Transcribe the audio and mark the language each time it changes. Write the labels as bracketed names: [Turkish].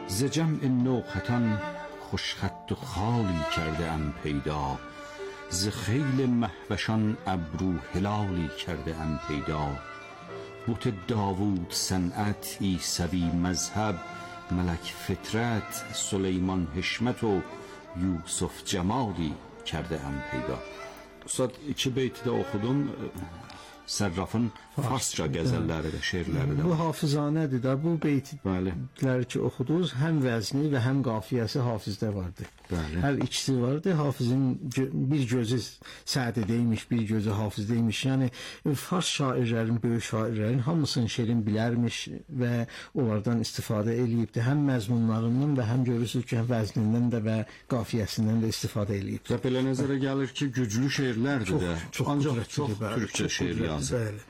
[Persian] جمع نو ختن خوش خط و خالی کرده ام پیدا، ز خیل مهوشان ابرو هلالی کرده ام پیدا. بوت داوود صنعت، عیسوی مذهب، ملک فطرت، سلیمان حشمت و یوسف جمالی کرده ام پیدا. [Azerbaijani] استاد اینکه بیت دا اخودم Sərrafın farsca qəzəlləri də, şeirləri də Bu hafizanədir də, bu beytləri ki oxuduz, həm vəzni və həm qafiyyəsi hafizdə vardır. Bəli. Hər ikisi vardır, hafizin bir gözü Sədi deymiş, bir gözü Hafiz deymiş. Yəni, fars şairlərin, böyük şairlərin hamısının şeirini bilərmiş və onlardan istifadə eləyibdir. Həm məzmunlarından və həm görürsünüz ki, vəznindən də və qafiyyəsindən də istifadə eləyibdir. Və belə nəzərə gəlir ki, güclü şeirlərdir çox, də. Çox, ancaq çox türkçə şeir yazdı.